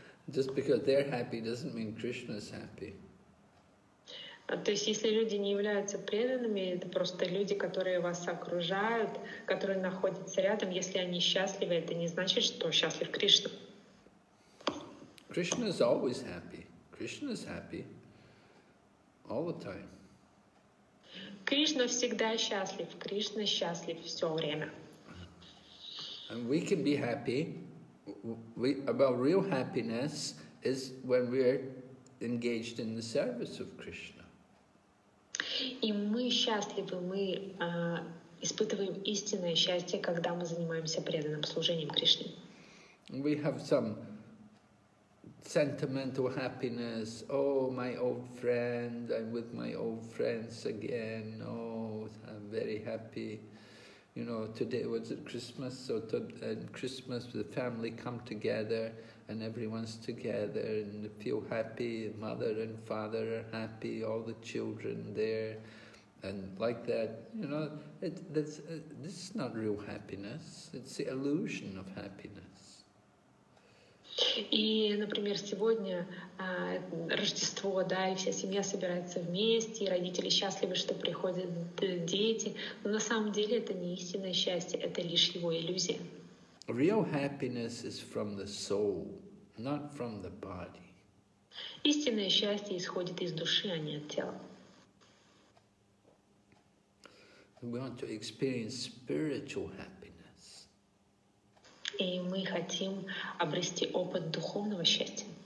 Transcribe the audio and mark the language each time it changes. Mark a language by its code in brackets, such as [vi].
[en] just because they're happy doesn't mean Krishna's happy. [ru] То есть, если люди не являются преданными, это просто люди, которые вас окружают, которые находятся рядом. Если они счастливы, это не значит, что счастлив Кришна. [en] Krishna is always happy. Krishna is happy all the time. [ru] Кришна всегда счастлив. Кришна счастлив все время. [en] And we can be happy. About real happiness is when we are engaged in the service of Krishna. [ru] И мы счастливы, мы испытываем истинное счастье, когда мы занимаемся преданным служением Кришне. [en] We have some sentimental happiness. Oh, my old friend, I'm with my old friends again. Oh, I'm very happy. You know, today was it Christmas? So Christmas, the family come together and everyone's together and feel happy. Mother and father are happy, all the children there. And like that, you know, this is not real happiness. It's the illusion of happiness. [ru] И, например, сегодня Рождество, да, и вся семья собирается вместе, и родители счастливы, что приходят дети. Но на самом деле это не истинное счастье, это лишь его иллюзия. [en] Real happiness is from the soul, not from the body. [ru] Истинное счастье исходит из души, а не от тела. [en] We want to experience spiritual happiness. [ru] И мы хотим обрести опыт духовного счастья.